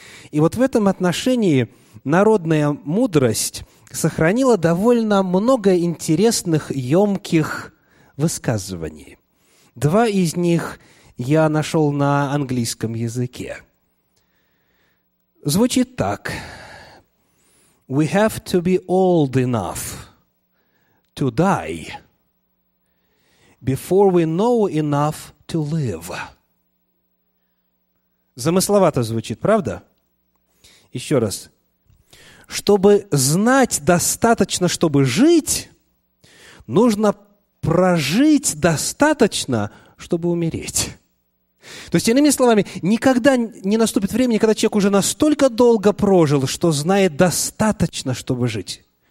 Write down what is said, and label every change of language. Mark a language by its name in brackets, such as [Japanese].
[Russian] И вот в этом отношении народная мудрость сохранила довольно много интересных, емких высказываний. Два из них я нашел на английском языке. Звучит так. [English] «We have to be old enough to die before we know enough to live». [Russian] Замысловато звучит, правда? Еще раз. Чтобы знать достаточно, чтобы жить, нужно прожить достаточно, чтобы умереть. То есть, иными словами, никогда не наступит времени, когда человек уже настолько долго прожил, что знает достаточно, чтобы жить.